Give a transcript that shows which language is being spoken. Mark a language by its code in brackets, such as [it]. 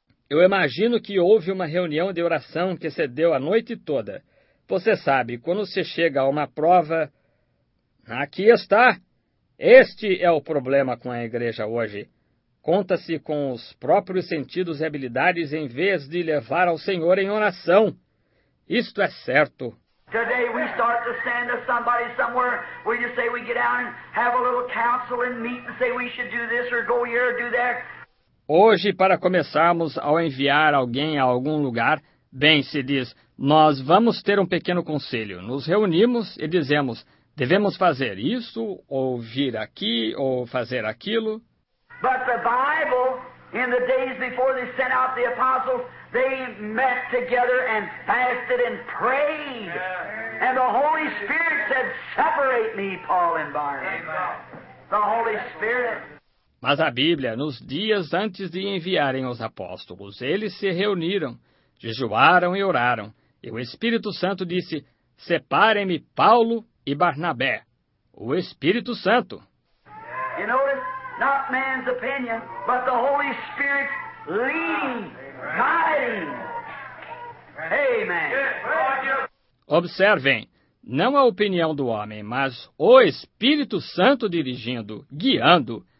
[pt] Eu imagino que houve uma reunião de oração que se deu a noite toda. Você sabe, quando se chega a uma prova, aqui está. Este é o problema com a igreja hoje. Conta-se com os próprios sentidos e habilidades em vez de levar ao Senhor em oração. Isto é certo. [en] Today we start to send to somebody somewhere. We just say we get out and have a little council and meet and say we should do this or go here or do there. [pt] Hoje, para começarmos ao enviar alguém a algum lugar, bem, se diz, nós vamos ter um pequeno conselho. Nos reunimos e dizemos, devemos fazer isso, ou vir aqui, ou fazer aquilo. [en] But the Bible, in the days before they sent out the apostles, they met together and fasted and prayed. And the Holy Spirit said, separate me, Paul and Barnabas. The Holy Spirit. [pt] Mas a Bíblia, nos dias antes de enviarem os apóstolos, eles se reuniram, jejuaram e oraram. E o Espírito Santo disse, separem-me Paulo e Barnabé. O Espírito Santo. [en] You notice, not man's opinion, but the Holy Spirit leading, guiding. Amen. [pt] Observem, não a opinião do homem, mas o Espírito Santo dirigindo, guiando.